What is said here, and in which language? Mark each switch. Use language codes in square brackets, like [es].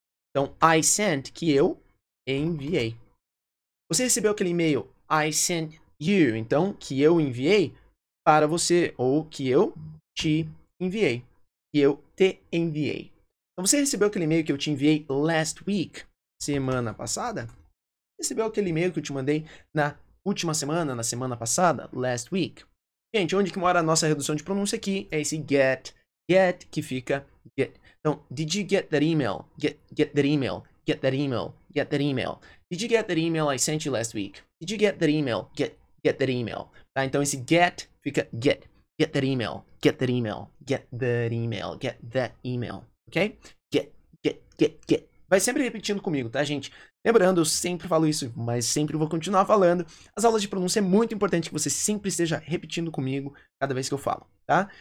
[pt] Então, [en] I sent, [pt] que eu enviei. Você recebeu aquele e-mail, [en] I sent you, [pt] então, que eu enviei para você, ou que eu te enviei, que eu te enviei. Então, você recebeu aquele e-mail que eu te enviei [en] last week, [pt] semana passada? Recebeu aquele e-mail que eu te mandei na última semana, na semana passada, [en] last week, [pt] ok? Gente, onde que mora a nossa redução de pronúncia aqui? É esse get, get, que fica get. Então, [en] did you get that email? Get that email, get that email, get that email. Did you get that email I sent you last week? Did you get that email? Get that email. [pt] Tá? Então, esse get fica get. [en] Get that email, get that email, get that email, get that email, ok? [pt] Get. Vai sempre repetindo comigo, tá, gente? Lembrando, eu sempre falo isso, mas sempre vou continuar falando. As aulas de pronúncia é muito importante que você sempre esteja repetindo comigo cada vez que eu falo, tá?